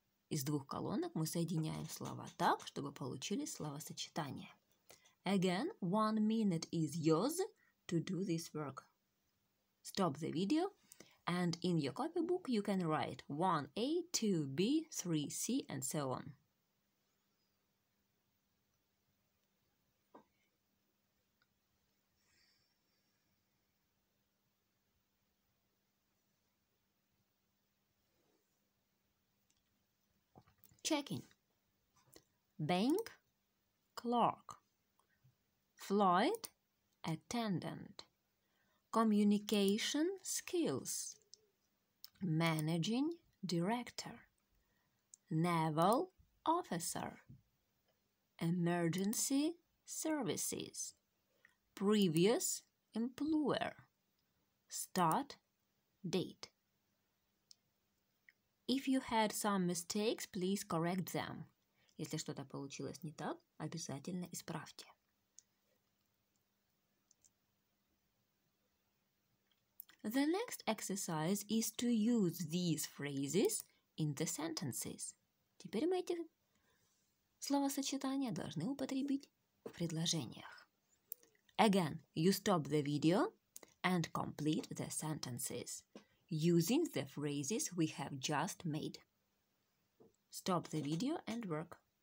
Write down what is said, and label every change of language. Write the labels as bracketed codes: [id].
[ru] Из двух колонок мы соединяем слова так, чтобы получили словосочетание. [en] Again, 1 minute is yours to do this work. Stop the video. And in your copybook you can write 1A, 2B, 3C and so on. Checking. Bank, clerk. Flight, attendant. Communication skills. Managing director. Naval officer. Emergency services. Previous employer. Start date. If you had some mistakes, please correct them. [ru] Если что-то получилось не так, обязательно исправьте. [en] The next exercise is to use these phrases in the sentences. [ru] Теперь мы эти словосочетания должны употребить в предложениях. [en] Again, you stop the video and complete the sentences using the phrases we have just made. Stop the video and work.